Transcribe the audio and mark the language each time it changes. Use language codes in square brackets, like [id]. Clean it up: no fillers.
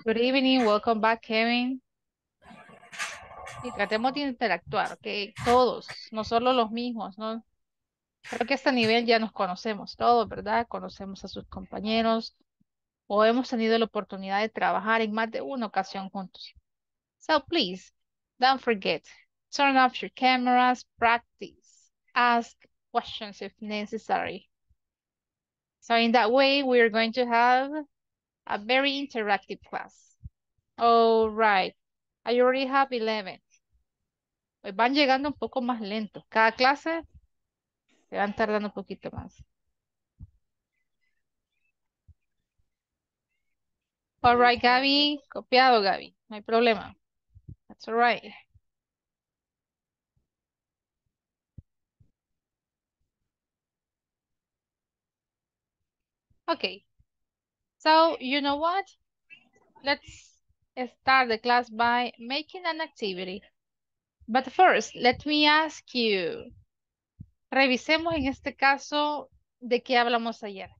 [en] Good evening, welcome back, Kevin. [es] Y tratemos de interactuar, ok, todos, no solo los mismos, ¿no? Creo que a este nivel ya nos conocemos todos, ¿verdad? Conocemos a sus compañeros, o hemos tenido la oportunidad de trabajar en más de una ocasión juntos. [en] So please, don't forget, turn off your cameras, practice, ask questions if necessary. So in that way, we're going to have a very interactive class. All right. I already have 11. [es] Hoy van llegando un poco más lento. Cada clase se van tardando un poquito más. [en] All right, Gaby. [es] Copiado, Gaby. No hay problema. [en] That's all right. Okay. So, you know what? Let's start the class by making an activity. But first, let me ask you. [es] Revisemos en este caso de qué hablamos ayer.